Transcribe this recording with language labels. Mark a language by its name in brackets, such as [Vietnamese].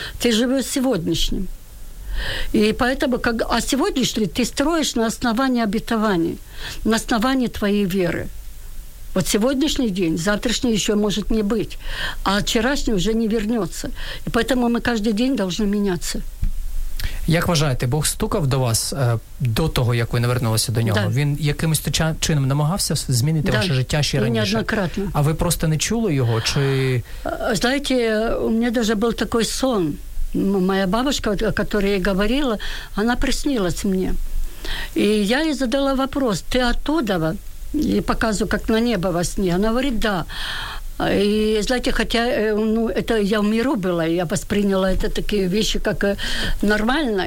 [Russian] Ты живешь сегодняшним. И поэтому, а сегодняшний ты строишь на основании обетований, на основании твоей веры. Вот сегодняшний день, завтрашний еще может не быть, а вчерашний уже не вернется. И поэтому мы каждый день должны меняться. [Ukrainian] Як вважаєте, Бог стукав до вас до того, як ви навернулися до нього? [Russian] Да. [Ukrainian] Він якимось чином намагався змінити [Russian] да. [Ukrainian] ваше життя ще раніше? [Russian] Так, неоднократно. [Ukrainian] А ви просто не чули його? Чи... Знаєте, у мене навіть був такий сон. [Russian] Моя бабушка, о которой я говорила, она приснилась мне. И я ей задала вопрос, ты оттуда? И показываю, как на небо во сне. Она говорит, да. И знаете, хотя ну, это я в миру была, я восприняла это такие вещи, как нормально.